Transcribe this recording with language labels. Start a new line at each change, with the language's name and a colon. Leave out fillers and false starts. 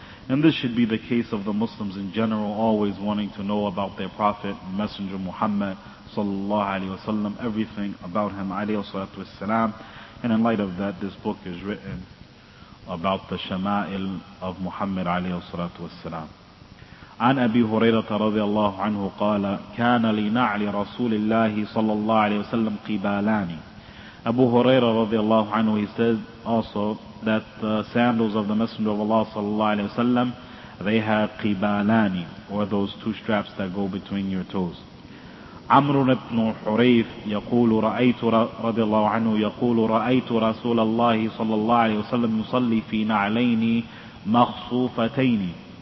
English: And this should be the case of the Muslims in general, always wanting to know about their Prophet, Messenger Muhammad
Arabic: sallallahu alayhi wasallam,
English: everything about him
Arabic: alayhi salatu wasalam.
English: And in light of that, this book is written about the Shama'il of Muhammad
Arabic: alayhi salatu wasalam. عن أبي هريرة رضي الله عنه قال كان لنعل رسول الله صلى الله عليه وسلم قبالان.
English: أبو هريرة
Arabic: رضي الله عنه,
English: he said also that the sandals of the Messenger of Allah
Arabic: صلى الله عليه وسلم,
English: they had قبالان, or those two straps that go between your toes.
Arabic: عمرو بن حريف يقول رأيت رضي الله عنه يقول رأيت رسول الله صلى الله عليه وسلم يصلي في نعلين مخصوفتين.